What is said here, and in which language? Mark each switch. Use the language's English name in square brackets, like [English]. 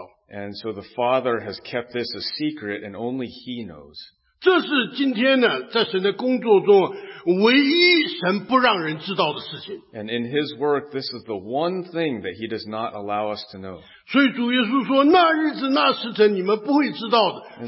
[English] and so the Father has kept this a secret, and only He knows. [Chinese] 这是今天呢, 在神的工作中, [English] and in His work, this is the one thing that He does not allow us to know. [Chinese] 所以主耶稣说, 那日子那时辰你们不会知道的,